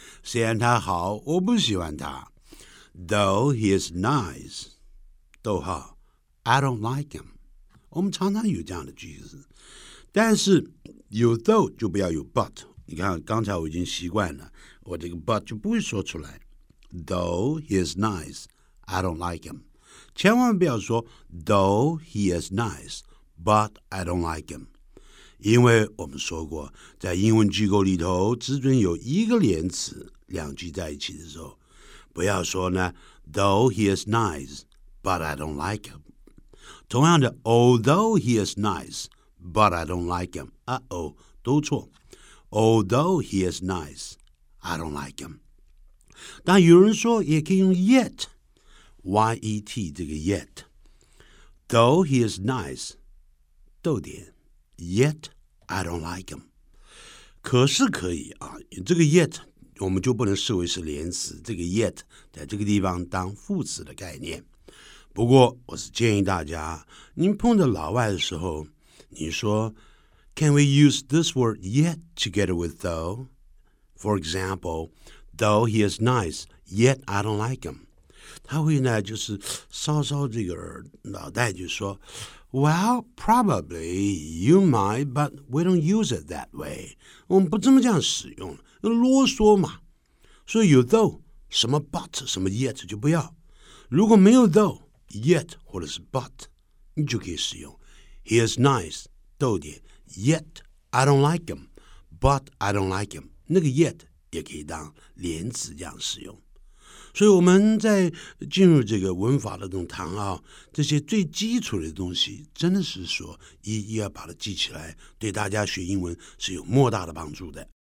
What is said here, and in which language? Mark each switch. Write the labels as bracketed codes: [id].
[zh] 虽然他好，我不喜欢他。 [en] Though he is nice， [zh] 逗号 [en] ，I don't like him。 [zh] 我们常常有这样的句子，但是有 though 就不要有 but。你看刚才我已经习惯了，我这个 but 就不会说出来。 [en] Though he is nice, I don't like him. [zh] 千万不要说 [en] though he is nice, but I don't like him. [zh] 因为我们说过，在英文句构里头，只准有一个连词两句在一起的时候，不要说呢 [en] though he is nice, but I don't like him. [zh] 同样的 [en] although he is nice, but I don't like him. [zh] 都错。 [en] Although he is nice, I don't like him. [zh] 但有人说也可以用 yet, Y-E-T 这个 yet. [en] Though he is nice, [zh] 逗点 [en] yet I don't like him. [zh] 可是可以啊，这个 yet 我们就不能视为是连词，这个 yet 在这个地方当副词的概念。不过我是建议大家，您碰到老外的时候，你说 [en] Can we use this word yet together with though? For example, though he is nice, yet I don't like him. [zh] 他会呢就是稍稍这个脑袋就说 [en] Well, probably you might, but we don't use it that way. [zh] 我们不这么这样使用，啰嗦嘛。所以有 though, 什么 but, 什么 yet 就不要。如果没有 though, yet 或者是 but, 你就可以使用。 [en] He is nice, [zh] 逗点。 [en] Yet, I don't like him, but I don't like him. [zh] 那个 yet 也可以当连词这样使用。所以我们在进入这个文法的这种谈啊，这些最基础的东西真的是说一一要把它记起来，对大家学英文是有莫大的帮助的。